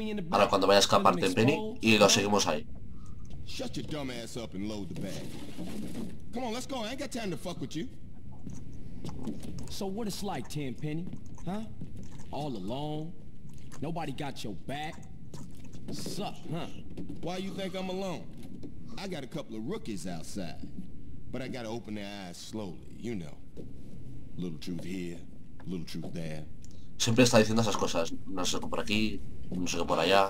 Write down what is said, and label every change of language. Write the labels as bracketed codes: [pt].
[es] Ahora cuando vaya a escaparte en Penny y lo seguimos ahí. [en] Shut your dumb ass up and load the bag. Come on, let's go. I ain't got time to fuck with you. So what it's like, Tenpenny, huh? All alone, nobody got your back. Suck, huh? Why you think I'm alone? I got a couple of rookies outside, but I gotta open their eyes slowly, you know. Little truth here, little truth there. [es] Siempre está diciendo esas cosas. No sé qué por aquí, no sé qué por allá.